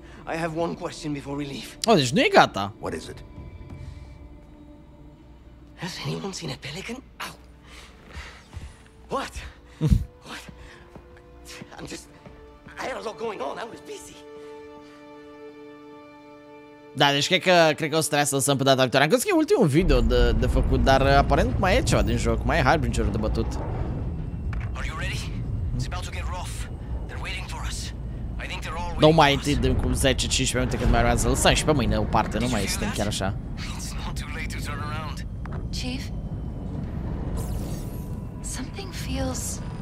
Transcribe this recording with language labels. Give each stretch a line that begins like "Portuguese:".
English: I have one question before we leave.
Romanian: Oh, deci nu e gata.
English: What is it? Has anyone seen a pelican? Ow. What? What? I'm just... I had a lot going on. I was busy.
Romanian: Da, deci cred că o să trebuie să lăsăm pe data viitoare. Am crezut că e ultimul video de făcut, dar aparent mai e ceva din joc. Mai e Harbinger-ul de bătut.
English: Are you ready? It's about to get rough. They're waiting for us. I think they're all waiting.
Romanian: Nu mai e timp de cum 10-15 minute cât mai urmează. Lăsăm și pe mâine o parte, nu mai suntem chiar așa.
English: It's not too late to turn around. Chief? Something feels...